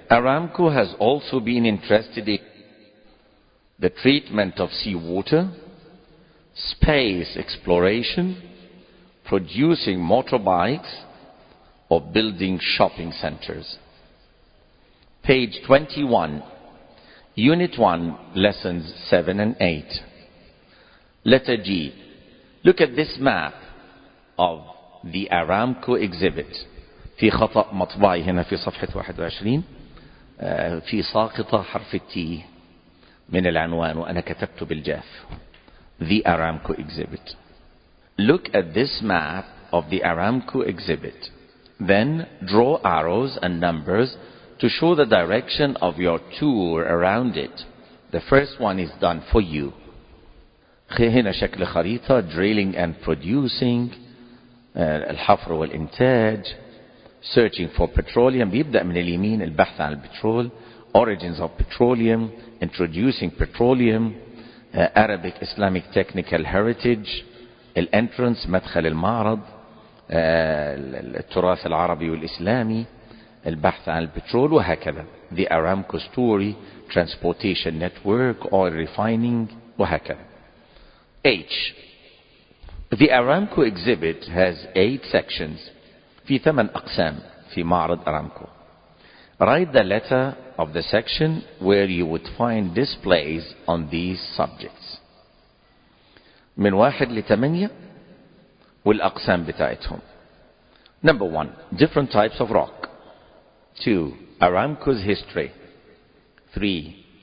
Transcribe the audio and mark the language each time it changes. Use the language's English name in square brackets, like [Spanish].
[English] Aramco has also been interested in the treatment of seawater, space exploration, producing motorbikes, or building shopping centers. Page 21, Unit 1, Lessons 7 and 8. Letter G. Look at this map of the Aramco exhibit. [Arabic] في خطأ مطبعي هنا في صفحة 21 في ساقطة حرف T من العنوان وأنا كتبت بالجاف. [English] The Aramco exhibit. Look at this map of the Aramco exhibit. Then draw arrows and numbers to show the direction of your tour around it. The first one is done for you. [Arabic] هنا شكل خريطة, [English] drilling and producing, [Arabic] الحفر والإنتاج, [English] searching for petroleum, [Arabic] بيبدأ من اليمين البحث عن البترول, [English] origins of petroleum, introducing petroleum, Arabic Islamic technical heritage, [Arabic] الانترنس, مدخل المعرض, التراث العربي والإسلامي, البحث عن البترول وهكذا. [English] The Aramco story, transportation network, oil refining, [Arabic] وهكذا. [English] H. The Aramco exhibit has 8 sections. [Arabic] في 8 أقسام في معرض Aramco. [English] Write the letter of the section where you would find displays on these subjects. [Arabic] من 1 ل8 والأقسام بتاعتهم. [English] Number 1. Different types of rock. 2. Aramco's history. 3.